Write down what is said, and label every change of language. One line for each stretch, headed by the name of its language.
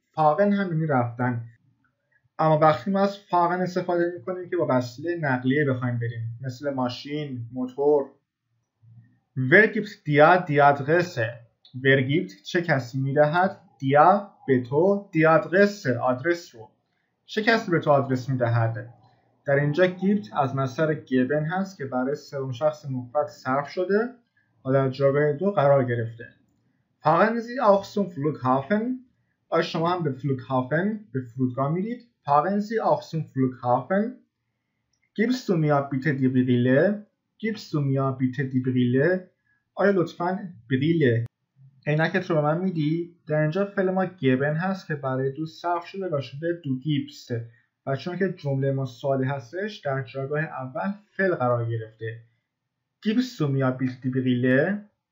Persian: فاغن هم یعنی رفتن. اما وقتی ما از فاغن استفاده میکنیم که با وسیله نقلیه بخوایم بریم مثل ماشین، موتور ورگیبت دیا دیادرسه ورگیبت چه کسی میدهد؟ دیا به تو دیادرسه آدرس رو چه کسی به تو آدرس میدهد؟ در اینجا گیبت از مصدر گیبن هست که برای سوم شخص مفرد صرف شده و در جواب دو قرار گرفته فاغن زی آخسون فلوک هافن آیا شما هم به فلوک هافن به فرودگاه میرید؟
German: Fahren Sie auf zum Flughafen? Gibst du mir bitte die Brille? Gibst du mir bitte die Brille?
Persian: آیا لطفاً بریله عینکت رو به من میدی؟ در اینجا فعل ما گیبن هست که برای دو صرف شده و شده دو گیبس و چون که جمله ما سوالی هستش در جایگاه اول فعل قرار گرفته
German: Gibst du mir bitte die Brille?